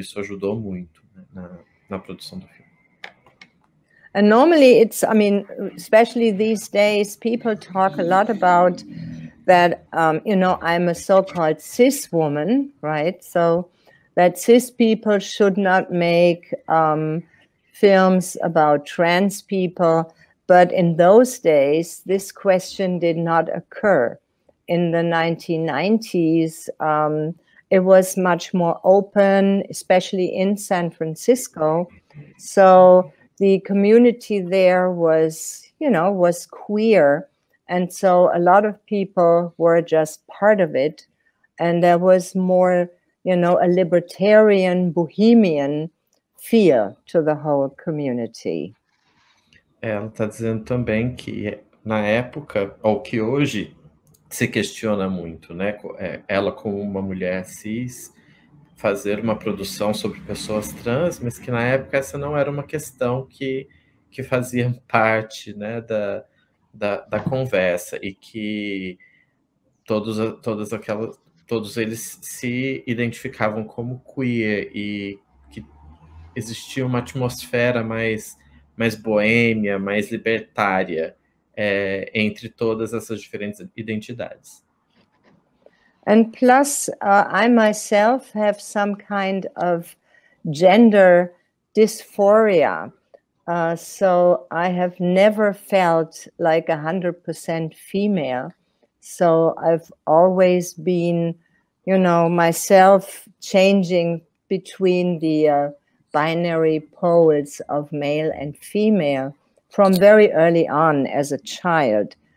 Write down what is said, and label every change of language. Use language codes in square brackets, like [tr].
[pt] Isso ajudou muito, né, na produção do filme. [en] And normally it's, I mean, especially these days, people talk a lot about that, I'm a so-called cis woman, right? So that cis people should not make films about trans people. But in those days, this question did not occur. In the 1990s, it was much more open, especially in San Francisco. So the community there was, was queer. And so a lot of people were just part of it. And there was more, a libertarian, bohemian feel to the whole community. [pt] Ela está dizendo também que na época, ou que hoje, se questiona muito, né? Ela como uma mulher cis, fazer uma produção sobre pessoas trans, mas que na época essa não era uma questão que fazia parte, né, da conversa, e que todos eles se identificavam como queer e que existia uma atmosfera mais boêmia, mais libertária entre todas essas diferentes identidades. [en] And plus, I myself have some kind of gender dysphoria. So I have never felt like 100% female. So I've always been, you know, myself changing between the binary poles of male and female from very early on as a child.